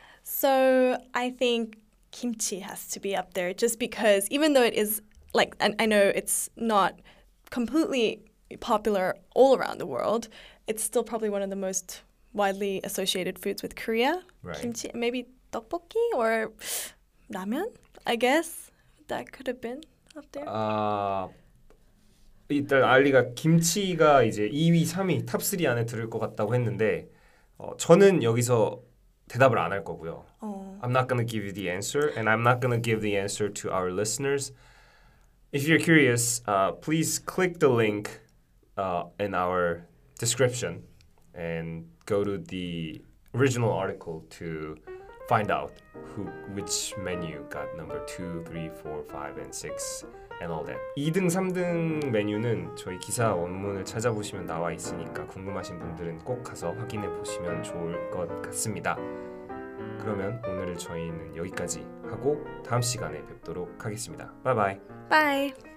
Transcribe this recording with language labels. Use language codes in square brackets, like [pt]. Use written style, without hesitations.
[en] So, I think kimchi has to be up there, just because even though it is, like, and I know it's not completely popular all around the world, it's still probably one of the most widely associated foods with Korea. Right. Kimchi, maybe tteokbokki or ramen, I guess that could have been up there. [ko] 일단 알리가 김치가 이제 2위, 3위, 탑3 안에 들을 것 같다고 했는데 저는 여기서 대답을 안 할 거고요. [en] I'm not going to give you the answer, and I'm not going to give the answer to our listeners. If you're curious, please click the link in our description and go to the original article to find out which menu got number 2, 3, 4, 5, and 6. And all that. [ko] 2등, 3등 메뉴는 저희 기사 원문을 찾아보시면 나와 있으니까 궁금하신 분들은 꼭 가서 확인해 보시면 좋을 것 같습니다. 그러면 오늘 저희는 여기까지 하고 다음 시간에 뵙도록 하겠습니다. 바이바이. 바이.